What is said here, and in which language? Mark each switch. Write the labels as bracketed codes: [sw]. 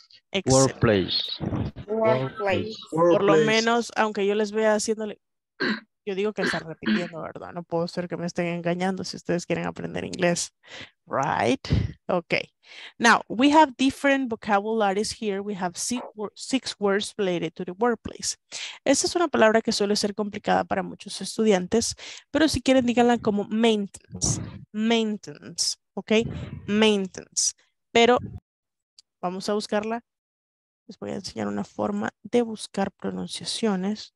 [en] Excellent. Workplace. Workplace. [es] Por lo menos, aunque yo les vea haciéndole, yo digo que está repitiendo, ¿verdad? No puedo ser que me estén engañando si ustedes quieren aprender inglés. [en] Right? Okay. Now, we have different vocabularies here. We have six words related to the workplace. [es] Esta es una palabra que suele ser complicada para muchos estudiantes, pero si quieren, díganla como maintenance. Maintenance. Ok, maintenance. Pero vamos a buscarla. Les voy a enseñar una forma de buscar pronunciaciones.